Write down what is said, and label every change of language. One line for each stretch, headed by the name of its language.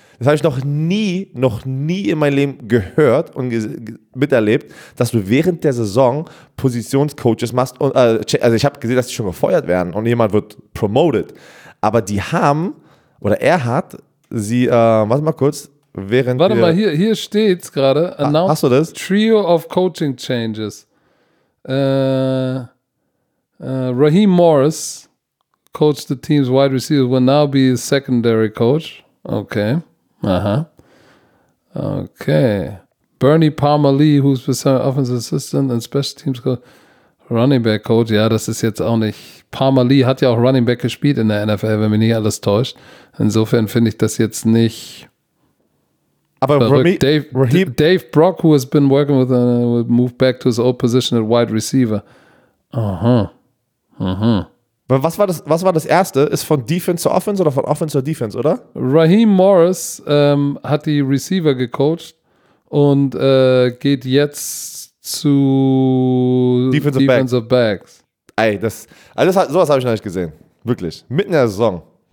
German: Das habe ich noch nie in meinem Leben gehört und miterlebt, dass du während der Saison Positionscoaches machst. Und, also ich habe gesehen, dass die schon gefeuert werden und jemand wird promoted. Aber die haben, oder er hat, sie, warte mal kurz, während warte wir... Warte mal, hier steht es gerade. Hast du das?
English: Trio of Coaching Changes. Raheem Morris coached the team's wide receiver, will now be his secondary coach. Okay. Aha. Okay. Bernie Palmer Lee, who's the offensive assistant and special teams coach.
German: Running Back Coach, ja, das ist jetzt auch nicht. Palmer Lee hat ja auch Running Back gespielt in der NFL, wenn mich nicht alles täuscht. Insofern finde ich das jetzt nicht. Aber
English: Dave Brock, who has been working with, will move back to his old position at wide receiver. Aha. Aha.
German: Aber was war das erste? Ist von Defense zu Offense oder von Offense zu Defense, oder? Raheem Morris hat die Receiver gecoacht und geht jetzt zu Defensive Backs. Ey, sowas habe ich noch nicht gesehen. Wirklich. Mitten in der Saison.